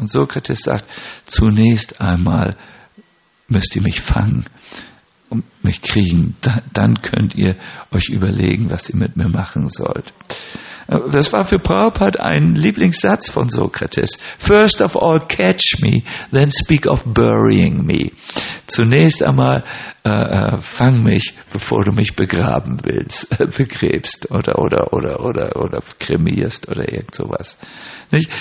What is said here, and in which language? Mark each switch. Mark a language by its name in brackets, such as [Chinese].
[German] Und Sokrates sagt, zunächst einmal müsst ihr mich fangen und mich kriegen. Dann könnt ihr euch überlegen, was ihr mit mir machen sollt. Das war für Prabhupada ein Lieblingssatz von Sokrates. [English] First of all, catch me, then speak of burying me. [German] Zunächst einmal, fang mich, bevor du mich begraben willst, begräbst oder kremierst oder irgend sowas. Nicht?